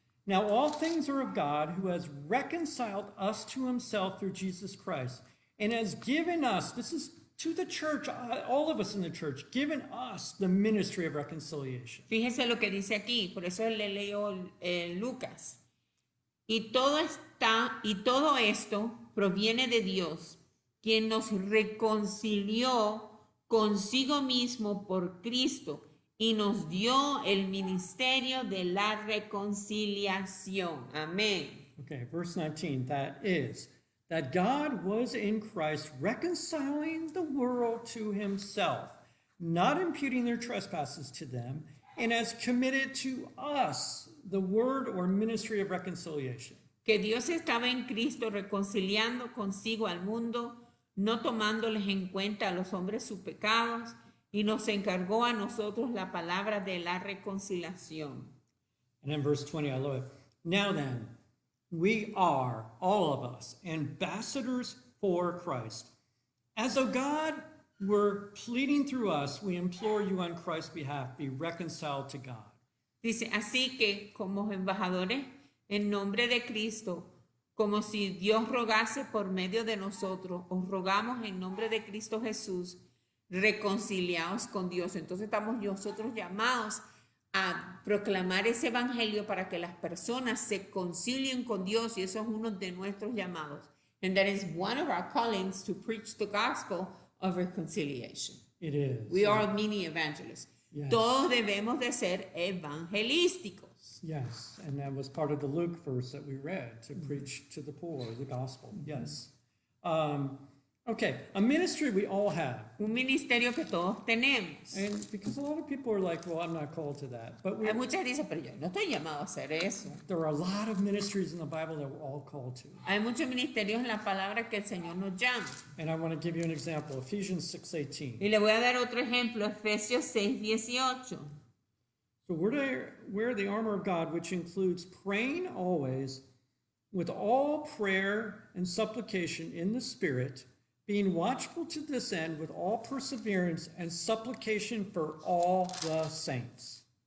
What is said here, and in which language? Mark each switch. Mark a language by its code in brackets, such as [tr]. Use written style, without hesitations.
[en] Now all things are of God, who has reconciled us to himself through Jesus Christ, and has given us, this is to the church, all of us in the church, given us the ministry of reconciliation. [es] Fíjense lo que dice aquí, por eso le leo Lucas. Y todo está, y todo esto proviene de Dios, quien nos reconcilió consigo mismo por Cristo y nos dio el ministerio de la reconciliación. Amén. [en] Okay, verse 19, that is, that God was in Christ reconciling the world to himself, not imputing their trespasses to them, and has committed to us the word or ministry of reconciliation. [es] Que Dios estaba en Cristo reconciliando consigo al mundo, no tomándoles en cuenta a los hombres sus pecados, y nos encargó a nosotros la palabra de la reconciliación. [en] And in verse 20, I love it. Now then, we are, all of us, ambassadors for Christ. As though God were pleading through us, we implore you on Christ's behalf, be reconciled to God. [es] Dice, así que, como embajadores, en nombre de Cristo, como si Dios rogase por medio de nosotros, os rogamos en nombre de Cristo Jesús, reconciliaos con Dios. Entonces estamos nosotros llamados a proclamar ese evangelio para que las personas se concilien con Dios, y eso es uno de nuestros llamados. [en] And that is one of our callings, to preach the gospel of reconciliation. It is. We are mini evangelists. Yes. [es] Todos debemos de ser evangelísticos. [en] Yes, and that was part of the Luke verse that we read, to preach to the poor the gospel. Yes. Okay, a ministry we all have. [es] Un ministerio que todos tenemos. [en] And because a lot of people are like, well, I'm not called to that. But [es] hay muchas dicen, pero yo no estoy llamado a hacer eso. [en] There are a lot of ministries in the Bible that we're all called to. [es] Hay muchos ministerios en la palabra que el Señor nos llama. [en] And I want to give you an example, Ephesians 6:18. [es] Y le voy a dar otro ejemplo, Efesios 6:18. [en] So wear the armor of God, which includes praying always with all prayer and supplication in the Spirit, being watchful to this end with all perseverance and supplication for all the saints.